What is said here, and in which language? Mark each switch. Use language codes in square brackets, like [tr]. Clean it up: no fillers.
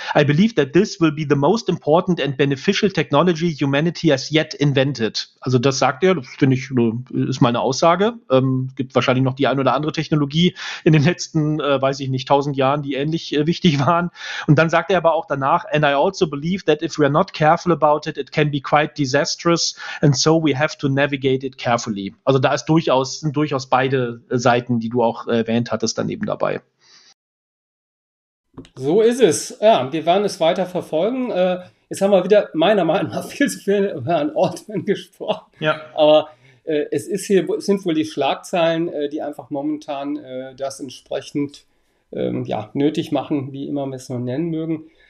[en] I believe that this will be the most important and beneficial technology humanity has yet invented. [de] Also das sagt er, das finde ich, ist meine Aussage. Gibt wahrscheinlich noch die ein oder andere Technologie in den letzten, weiß ich nicht, 1000 Jahren, die ähnlich wichtig waren. Und dann sagt er aber auch danach, [en] and I also believe that if we are not careful about it, it can be quite disastrous and so we have to navigate it carefully. [de] Also da ist durchaus, sind durchaus beide Seiten, die du auch erwähnt hattest, daneben dabei. So ist es. Ja, wir werden es weiter verfolgen. Jetzt haben wir wieder meiner Meinung nach viel zu viel über Herrn Altman gesprochen. Ja. Aber es ist hier, sind wohl die Schlagzeilen, die einfach momentan das entsprechend ja, nötig machen, wie immer wir es nur nennen mögen.